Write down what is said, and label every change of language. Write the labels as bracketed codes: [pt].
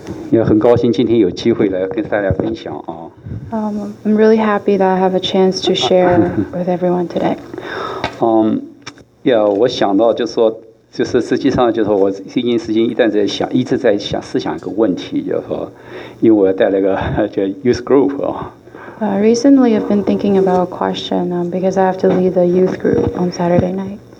[zh] 也很高兴今天有机会来跟大家分享啊。 [en] I'm really happy that I have a chance to share with everyone today. [zh] Yeah, 我想到就是说，就是实际上就是我最近时间一旦在想，一直在想思想一个问题，就是说，因为我带了一个就 youth group 啊。 [en] Recently, I've been thinking about a question because I have to lead the youth group on Saturday night.